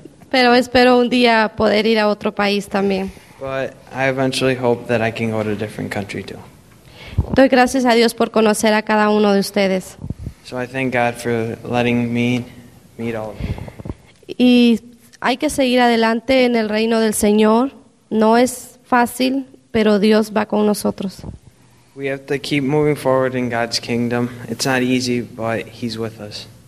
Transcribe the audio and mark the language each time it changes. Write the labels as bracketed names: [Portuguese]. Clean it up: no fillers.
[Spanish] Pero espero un día poder ir a otro país también. [English] But I eventually hope that I can go to a different country too. [Spanish] Doy gracias a Dios por conocer a cada uno de ustedes. [English] So I thank God for letting me meet all of you. [Spanish] Y hay que seguir adelante en el reino del Señor. No es fácil, pero Dios va con nosotros. [English] We have to keep moving forward in God's kingdom. It's not easy, but He's with us.